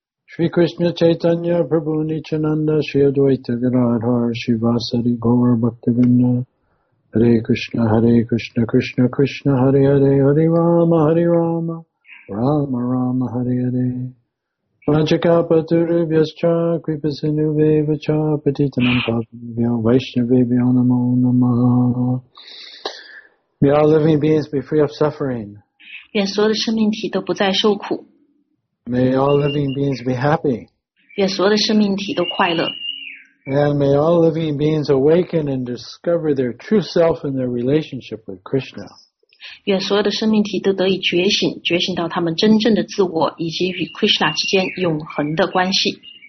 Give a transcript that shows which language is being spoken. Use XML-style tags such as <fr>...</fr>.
<sa>Shri Krishna Chaitanya Prabhu Nityananda Shri Advaita Gadadhar Shri Vasadi Gaur Bhaktivinoda Hare Krishna Krishna Krishna Hare Hare Hare Rama Rama Rama Hare Hare Vajrakapaturubhyascha Kripasindubhyevacha Patitanam Pavanebhyo Vaishnavebhyo Namo Namaha.</sa> <en>May all living beings be free of suffering.</en> <zh>愿所有的生命体都不再受苦.</zh> <en>May all living beings be happy.</en> <zh>愿所有的生命体都快乐.</zh> <en>And may all living beings awaken and discover their true self in their relationship with Krishna.</en> <zh>愿所有的生命体都得以觉醒, 觉醒到他们真正的自我, 以及与 Krishna 之间永恒的关系.</zh>